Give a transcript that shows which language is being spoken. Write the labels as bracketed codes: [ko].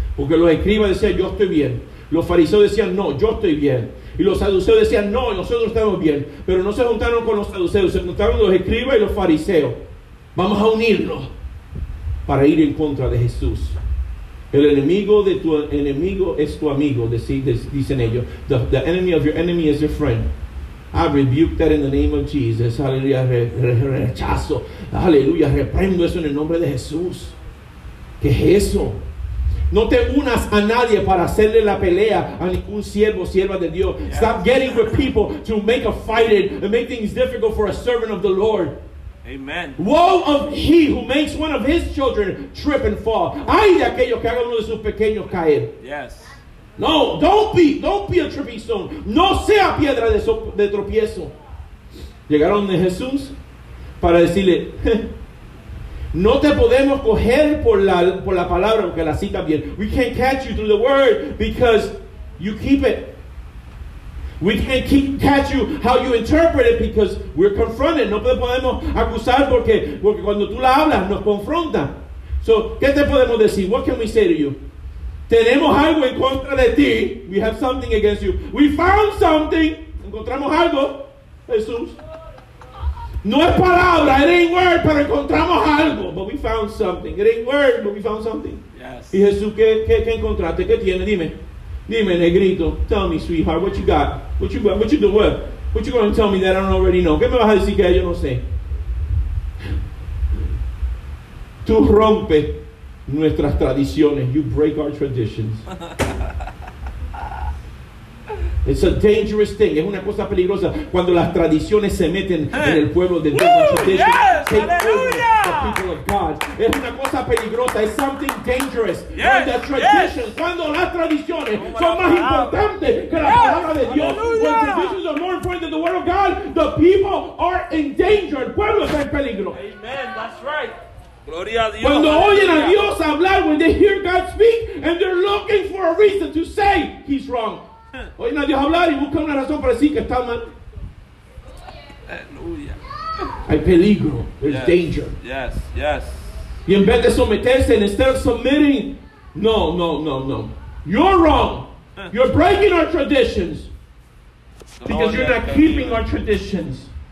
[es] Porque los escribas decían, yo estoy bien. Los fariseos decían, no, yo estoy bien. Y los saduceos decían, no, nosotros estamos bien. Pero no se juntaron con los saduceos, se juntaron los escribas y los fariseos. Vamos a unirnos para ir en contra de Jesús. El enemigo de tu enemigo es tu amigo, dicen ellos. [en] The enemy of your enemy is your friend. I rebuke that in the name of Jesus. [es] Aleluya, rechazo. Aleluya, reprendo eso en el nombre de Jesús. ¿Qué es eso? No te unas a nadie para hacerle la pelea a ningún siervo, sierva de Dios. [en] Yes. Stop getting with people to make a fight it and make things difficult for a servant of the Lord. Amen. Woe of he who makes one of his children trip and fall. [es] Ay de aquellos que hagan uno de sus pequeños caer. [en] Yes. No, don't be a [es] tropezón. No sea piedra de tropiezo. Llegaron de Jesús para decirle, no te podemos coger por la palabra, aunque la cita bien. [en] We can't catch you through the word because you keep it. We can't catch you how you interpret it because we're confronted. [es] No te podemos acusar porque cuando tú la hablas nos confronta. So, ¿qué te podemos decir? [en] What can we say to you? [es] Tenemos algo en contra de ti. [en] We have something against you. We found something. [es] Encontramos algo, Jesús. No es palabra, [en] it ain't word, [es] pero encontramos algo. [en] But we found something. It ain't word, but we found something. Yes. [es] Y Jesús, ¿qué encontraste? ¿Qué tiene? Dime. Dime, negrito. [en] Tell me, sweetheart, what you got? What you doing? What you going to tell me that I don't already know? [es] ¿Qué me vas a decir que yo no sé? Tú rompes nuestras tradiciones. [en] You break our traditions. It's a dangerous thing. [es] Es una cosa peligrosa cuando las tradiciones se meten en el pueblo de Dios. [en] Yes, hallelujah. The people of God. [es] Es una cosa peligrosa. [en] It's something dangerous. Yes, when the traditions, [es] Cuando las tradiciones son más importantes que la palabra de Dios. [en] Hallelujah. When traditions are more important than the word of God, the people are in danger. [es] El pueblo está en peligro. [en] Amen. That's right. [es] Gloria a Dios. Cuando oyen a Dios hablar, [en] when they hear God speak, and they're looking for a reason to say he's wrong. [es] Oye, nadie va a hablar y busca una razón para decir que está mal. Aleluya. Hay peligro. [en] There's yes. Danger. Yes, yes. [es] Y en vez de someterse, [en] instead of submitting, [es] no. [en] You're wrong. You're breaking our traditions. Because you're not keeping our traditions.